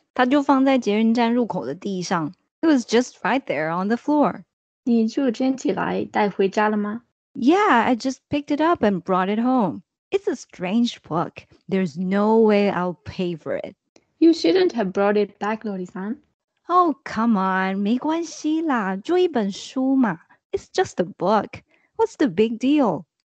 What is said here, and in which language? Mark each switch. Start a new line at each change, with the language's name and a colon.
Chinese: 它就放在捷运站入口的地上。
English: It was just right there on the floor.
Chinese: 你就捡起来带回家了吗？
English: Yeah, I just picked it up and brought it home. It's a strange book. There's no way I'll pay for it. You shouldn't have brought it back, Lori-san. Oh, come on.
Chinese: 没关系啦。就一本书嘛。
English: It's just a book. What's the big deal?